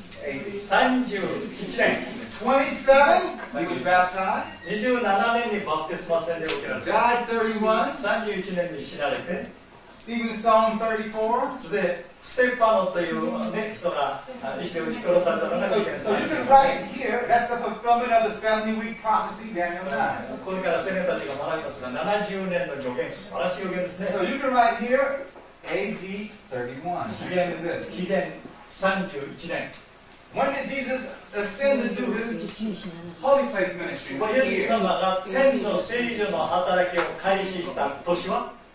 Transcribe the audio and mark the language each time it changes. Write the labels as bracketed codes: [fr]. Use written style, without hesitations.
[ja] 31年。 [en] 27. He was baptized. [ja] 27年にバプテスマ洗礼を受けられ [en] た。Died 31. [ja] 31年に死なれて。 [en] Stephen Stone 34. [ja] でステファノという、ね、人が石で打ち殺されたのが [en] So you can write here. That's the fulfillment of the 70 week prophecy Daniel 9. [ja] これから先人たちが学びますが、70年の予言、素晴らしい予言ですね。 [en] So you can write here. A.D. 31. [ja] 紀元31年。 [en] When did Jesus ascend to his holy place ministry? [ja] イエス様が天の聖所の働きを開始した年は？